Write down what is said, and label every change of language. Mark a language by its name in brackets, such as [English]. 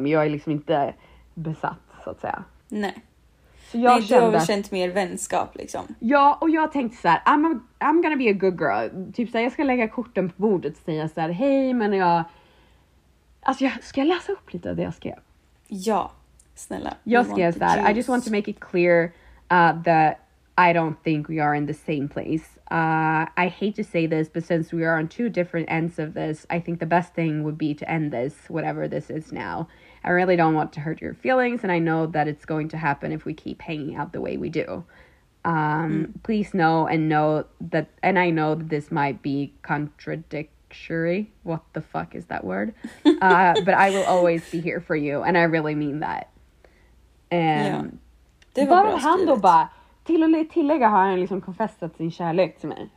[Swedish] Men jag är liksom inte besatt, så att säga. Nej. Så jag nej, kände, du har väl känt mer vänskap, liksom. Ja, och jag tänkte så här, [English] I'm gonna be a good girl. [Swedish] Typ så här, jag ska lägga korten på bordet och säga så här, hej, men jag... Alltså, ska jag läsa upp lite av det jag skrev? Ja, snälla. Jag skrev så här, [English] I just want to make it clear... that I don't think we are in the same place. I hate to say this, but since we are on two different ends of this, I think the best thing would be to end this, whatever this is now. I really don't want to hurt your feelings, and I know that it's going to happen if we keep hanging out the way we do. Please know that this might be contradictory. What the fuck is that word? but I will always be here for you, and I really mean that. [Swedish] Det var bara han då bara, till och tillägga har han liksom konfessat sin kärlek till mig.